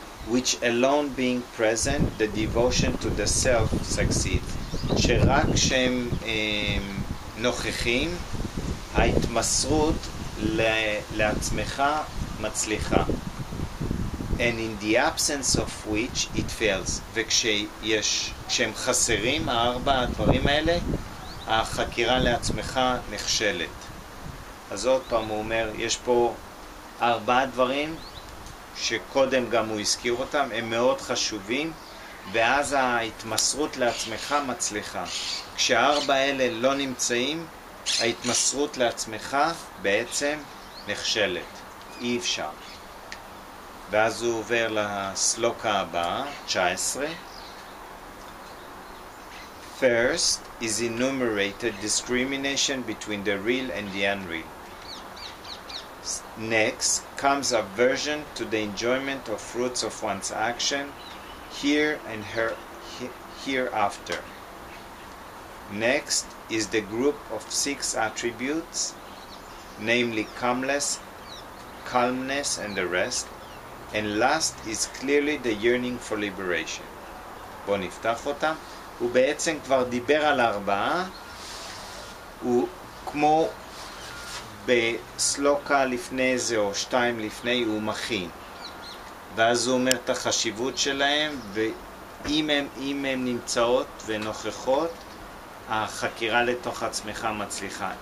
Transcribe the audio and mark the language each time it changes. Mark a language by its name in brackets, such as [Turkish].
[English] which alone being present, the devotion to the self succeeds, [Hebrew] שרק כשהם נוכחים, ההתמסרות לעצמך מצליחה. [English] And in the absence of which it fails. [Hebrew] וכשיש, כשהם חסרים, הארבע הדברים האלה, החקירה לעצמך נכשלת. אז עוד פעם הוא אומר, יש פה ארבעה דברים שקודם גם הוא הזכיר אותם, הם מאוד חשובים, ואז ההתמסרות לעצמך מצליחה. כשהארבע האלה לא נמצאים, ההתמסרות לעצמך בעצם נכשלת. אי אפשר. ואז הוא עובר לסלוקה הבאה, 19. [English] First is enumerated discrimination between the real and the unreal. Next comes aversion to the enjoyment of fruits of one's action here and hereafter. Next is the group of six attributes, namely calmness, calmness and the rest. And last is clearly the yearning for liberation. [Hebrew] בוא נפתח אותה. הוא בעצם כבר דיבר על ארבעה. הוא כמו בסלוקה לפני זה או שתיים לפני, הוא מכין. ואז הוא אומר את החשיבות שלהם, ואם הם, אם הם נמצאות ונוכחות, החקירה לתוך עצמך מצליחה.